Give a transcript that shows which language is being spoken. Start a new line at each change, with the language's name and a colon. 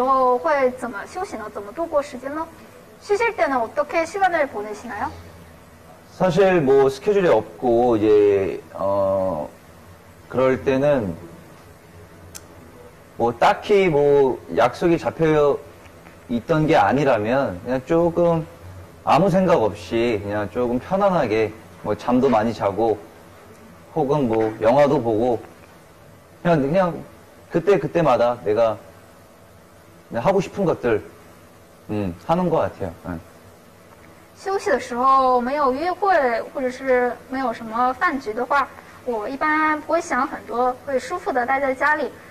Korean: 좋았어요.
Chinese: 去过很多中国的城市，差不多所有的大部分的城市我都去过，每个城市都有自己的特点，自己的风格。但是让我其中选一个，真的是太难了。但是这些城市都有特点，但是都很差不多。然后下一个问题，休息的时候会怎么休息呢？怎么度过时间呢？
Korean: 쉬실 때는 어떻게 시간을 보내시나요? 사실 뭐 스케줄이 없고 이제 그럴 때는 뭐 딱히 뭐 약속이 잡혀 있던 게 아니라면 그냥 조금 아무 생각 없이 그냥 조금 편안하게 뭐 잠도 많이 자고 혹은 뭐 영화도 보고 그냥 그때그때마다 내가 그냥 하고 싶은 것들 하는 것 같아요.
Chinese: 休息的时候没有约会或者是没有什么饭局的话，我一般不会想很多，会舒服的待在家里。